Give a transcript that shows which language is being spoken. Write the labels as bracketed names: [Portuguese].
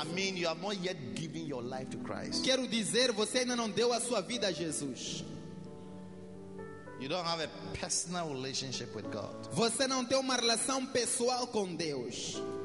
[English] I mean you have not yet given your life to Christ. [Portuguese] Quero dizer, você ainda não deu a sua vida a Jesus. [English] You don't have a personal relationship with God. [Portuguese] Você não tem uma relação pessoal com Deus.